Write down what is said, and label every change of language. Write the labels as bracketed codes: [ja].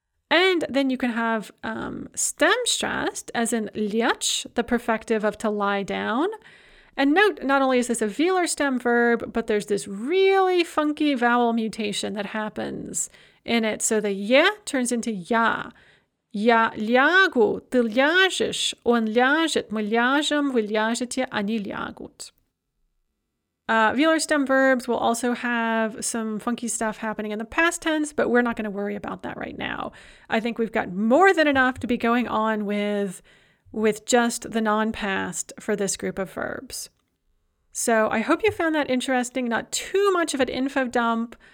[en] And then you can have stem-stressed, as in liach, the perfective of to lie down. And note, not only is this a velar stem verb, but there's this really funky vowel mutation that happens in it. So the ye turns into ya. [ru] Я лягу, ты ляжешь, он ляжет, мы ляжем, вы ляжете, они лягут. [en] Velar stem verbs will also have some funky stuff happening in the past tense, but we're not going to worry about that right now. I think we've got more than enough to be going on with just the non-past for this group of verbs. So I hope you found that interesting, not too much of an info dump.